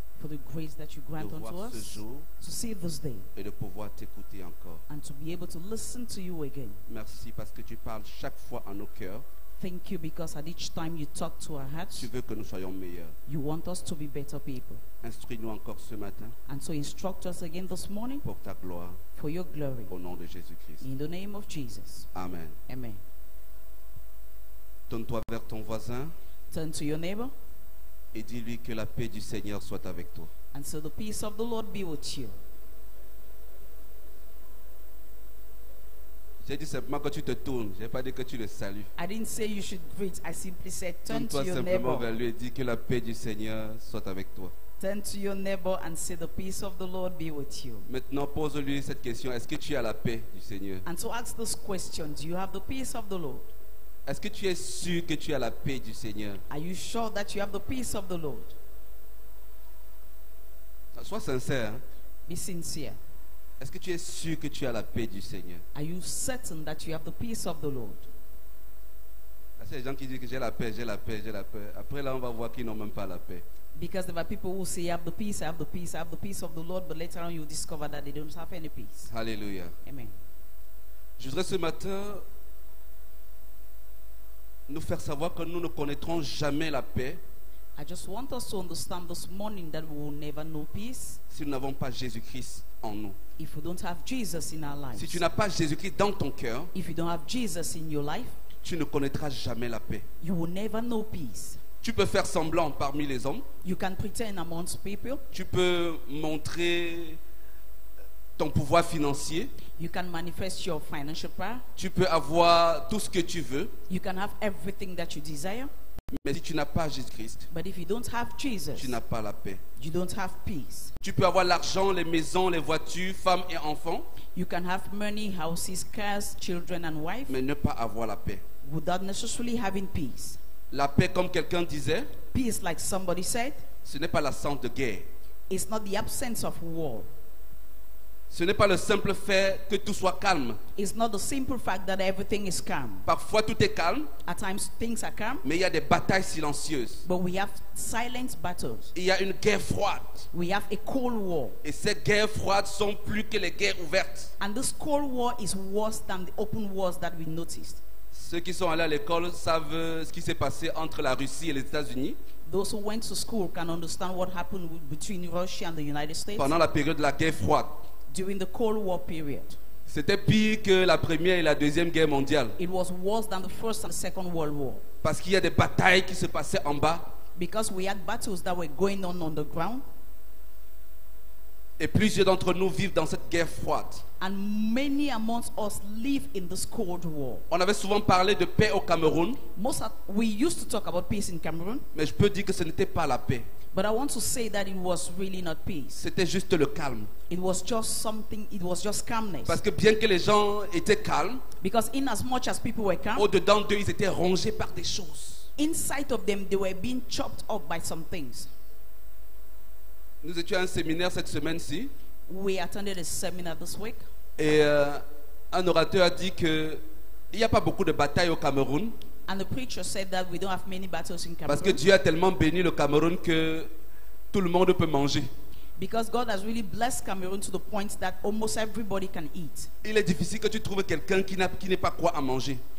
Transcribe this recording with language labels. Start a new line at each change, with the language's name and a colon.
English: For the grace that you grant unto us.
French: De voir ce jour.
English: To see this day.
French: Et de pouvoir t'écouter encore.
English: And to be able to listen to you again.
French: Merci parce que tu parles chaque fois à nos cœurs.
English: Thank you because at each time you talk to our hearts.
French: Tu veux que nous soyons meilleurs.
English: You want us to be better people.
French: Instruis-nous encore ce matin.
English: And so instruct us again this morning.
French: Pour ta gloire.
English: For your glory.
French: Au nom de Jésus-Christ.
English: In the name of Jesus. Amen. Amen.
French: Tourne-toi vers ton voisin.
English: Turn to your neighbor.
French: Et dis-lui que la paix du Seigneur soit avec toi.
English: And so the peace of the Lord be with you.
French: J'ai dit simplement que tu te tournes. J'ai pas dit que tu le salues.
English: I didn't say you should greet. I simply said turn
French: Tourne-toi
English: to your
French: simplement
English: neighbor.
French: Vers lui et dis que la paix du Seigneur soit avec toi.
English: Turn to your neighbor and say the peace of the Lord be with you.
French: Maintenant pose-lui cette question. Est-ce que tu as la paix du Seigneur?
English: And so ask this question. Do you have the peace of the Lord?
French: Est-ce que tu es sûr que tu as la paix du Seigneur?
English: Are you sure that you have the peace of the Lord?
French: Sois sincère.
English: Be sincere.
French: Est-ce que tu es sûr que tu as la paix du Seigneur?
English: Are you certain that you have the peace of the Lord?
French: C'est les gens qui disent que j'ai la paix, j'ai la paix, j'ai la paix. Après là, on va voir qu'ils n'ont même pas la paix.
English: Because there are people who say, I have the peace, I have the peace, I have the peace of the Lord, but later on you discover that they don't have any peace. Hallelujah. Amen.
French: Je voudrais ce matin nous faire savoir que nous ne connaîtrons jamais la paix.
English: I just want us to understand this morning that we will never know peace.
French: Si nous n'avons pas Jésus-Christ en nous.
English: If we don't have Jesus in our lives.
French: Si tu n'as pas Jésus-Christ dans ton cœur.
English: If you don't have Jesus in your life.
French: Tu ne connaîtras jamais la paix.
English: You will never know peace.
French: Tu peux faire semblant parmi les hommes.
English: You can pretend amongst people.
French: Tu peux montrer ton pouvoir financier.
English: You can manifest your financial power.
French: Tu peux avoir tout ce que tu veux.
English: You can have everything that you desire.
French: Mais si tu n'as pas Jésus-Christ,
English: but if you don't have Jesus,
French: tu n'as pas la paix.
English: You don't have peace.
French: Tu peux avoir l'argent, les maisons, les voitures, femmes et enfants.
English: You can have money, houses, cars, children and wife.
French: Mais ne pas avoir la paix.
English: Without necessarily having peace.
French: La paix, comme quelqu'un disait,
English: peace, like somebody said,
French: ce n'est pas l'absence de guerre.
English: It's not the absence of war.
French: Ce n'est pas le simple fait que tout soit calme.
English: It's not the simple fact that everything is calm.
French: Parfois tout est calme.
English: At times things are calm.
French: Mais il y a des batailles silencieuses.
English: But we have silent battles.
French: Il y a une guerre froide.
English: We have a cold war.
French: Et ces guerres froides sont plus que les guerres ouvertes.
English: And this cold war is worse than the open wars that we noticed.
French: Ceux qui sont allés à l'école savent ce qui s'est passé entre la Russie et les États-Unis.
English: Those who went to school can understand what happened between Russia and the United States.
French: Pendant la période de la guerre froide.
English: During the Cold War period.
French: C'était pire que la Première et la Deuxième Guerre mondiale.
English: It was worse than the First and Second World War.
French: Parce qu'il y a des batailles qui se passaient en bas.
English: Because we had battles that were going on the ground.
French: Et plusieurs d'entre nous vivent dans cette guerre froide.
English: And many amongst us live in this cold war.
French: On avait souvent parlé de paix au Cameroun.
English: We used to talk about peace in Cameroon.
French: Mais je peux dire que ce n'était pas la paix.
English: But I want to say that it was really not peace.
French: C'était juste le calme.
English: It was just something. It was just calmness.
French: Parce que bien que les gens étaient calmes,
English: because in as much as people were calm,
French: au dedans d'eux ils étaient rongés par des choses.
English: Inside of them, they were being chopped up by some things.
French: Nous étions à un séminaire cette semaine-ci.
English: We attended a seminar this week.
French: Et un orateur a dit que il n'y a pas beaucoup de batailles au Cameroun.
English: And the preacher said that we don't have many battles in Cameroon.
French: Parce que Dieu a tellement béni le Cameroun que tout le monde peut manger.
English: Because God has really blessed Cameroon to the point that almost everybody can eat.
French: Il est difficile que tu trouves quelqu'un qui n'est pas quoi à manger.